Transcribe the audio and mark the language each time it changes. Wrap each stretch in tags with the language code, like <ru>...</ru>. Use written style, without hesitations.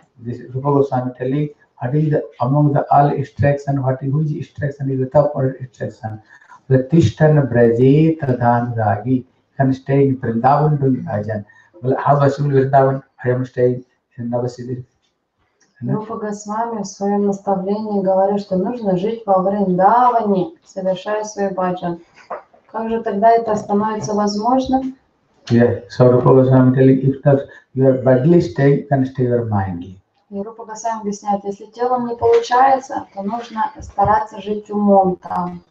<en>This Rupa Goswami telling what is the, among the all extraction, what is which extraction is the top or extraction? The</en> <sa>Tishtana Braje Tadanuragi</sa> <en>can stay in Vrindavan doing bhajan. Well, how was in Vrindavan? I am staying in Navasiddhi.</en> <ru>Рупа Госвами в своем наставлении говорит, что нужно жить во Вриндаване, совершая свой баджан. Как же тогда это становится возможным?</ru> <en>Yeah, so Rupa Goswami telling, if you are badly stay, then stay your mind.</en> <ru>И Рупа Госвами объясняет, если телом не получается, то нужно стараться жить умом там.</ru>